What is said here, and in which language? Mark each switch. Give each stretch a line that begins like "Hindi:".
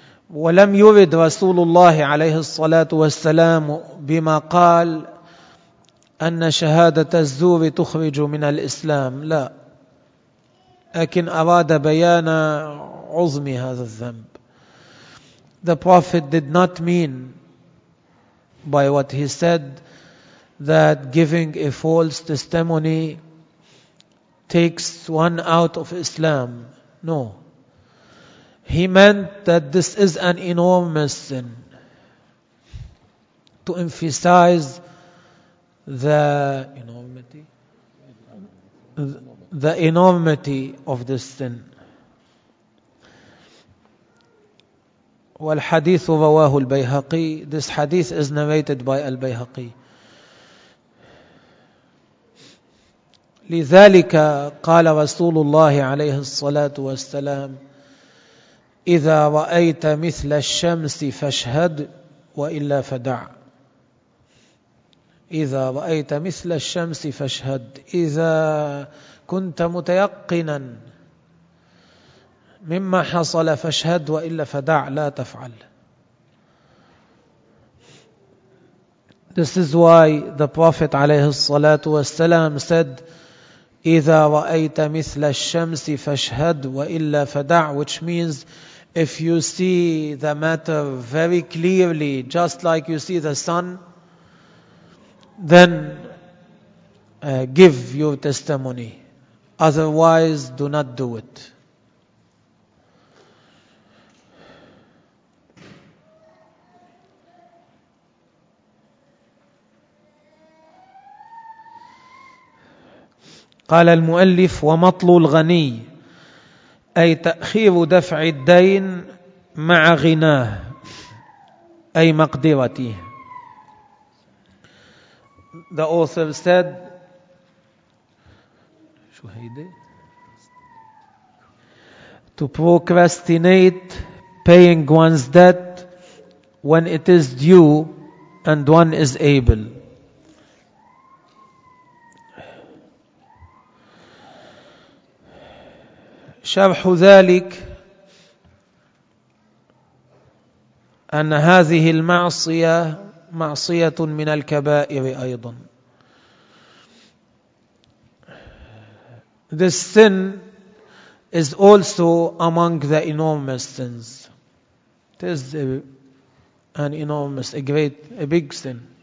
Arabic: ولم يرد رسول الله عليه الصلاة والسلام بما قال أن شهادة الزور تخرج من الإسلام, لا, لكن أراد بيان عظم هذا الذنب.
English: The Prophet did not mean by what he said that giving a false testimony takes one out of Islam. No. He meant that this is an enormous sin, to emphasize the enormity of this sin.
Arabic: والحديث رواه البيهقي.
English: This hadith is narrated by Al-Bayhaqi.
Arabic: لذلك قال رسول الله عليه الصلاة والسلام: إذا رأيت مثل الشمس فاشهد وإلا فدع. إذا رأيت مثل الشمس فاشهد, إذا كنت متيقنا مما حصل فاشهد وإلا فدع, لا تفعل.
English: This is why the Prophet
Arabic: عليه الصلاة والسلام
English: said,
Arabic: إذا رأيت مثل الشمس فاشهد وإلا فدع,
English: which means If you see the matter very clearly, just like you see the sun, then give your testimony. Otherwise, do not do it.
Arabic: قال المؤلف ومطل الغني أي تأخير دفع الدين مع غناه أي مقدرته.
English: The author said, to procrastinate paying one's debt when it is due and one is able.
Arabic: شرح ذلك أن هذه المعصية معصية من الكبائر أيضا.
English: This sin is also among the enormous sins. It is an enormous, a great, a big sin.